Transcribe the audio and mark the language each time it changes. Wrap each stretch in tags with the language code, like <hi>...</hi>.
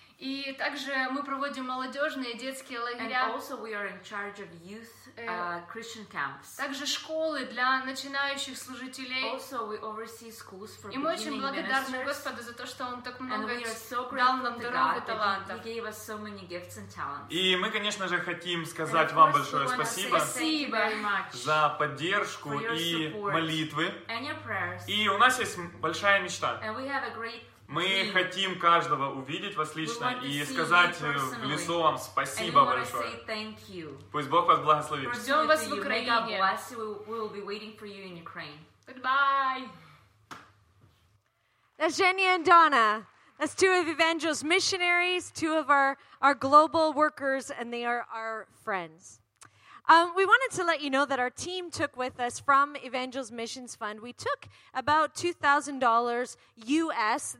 <ru>И также мы проводим молодежные детские лагеря.</ru> <en>And also we are in charge of youth Christian camps.</en> <ru>Также школы для начинающих служителей.</ru> <en>Also we oversee schools for beginning ministers.</en> <ru>И мы очень благодарны Господу за то, что Он так много дал нам даров и талантов.</ru> <en>He gave us so many gifts and talents.</en> <ru>И мы, конечно же, хотим сказать вам большое спасибо за поддержку и молитвы.</ru> <en>And your prayers.</en> <ru>И у нас есть большая мечта.</ru> <en>And we have a great.</en> <ru>Мы хотим каждого увидеть вас лично и сказать в лицо вам спасибо большое. Пусть Бог вас благословит. Ждем вас в Украине.</ru> <en>We will be waiting for you in Ukraine. Goodbye. That's Jenny and Donna. That's two of Evangel's missionaries, two of our global workers, and they are our friends. We wanted to let you know that our team took with us from Evangel's Missions Fund, we took about $2,000 U.S.</en>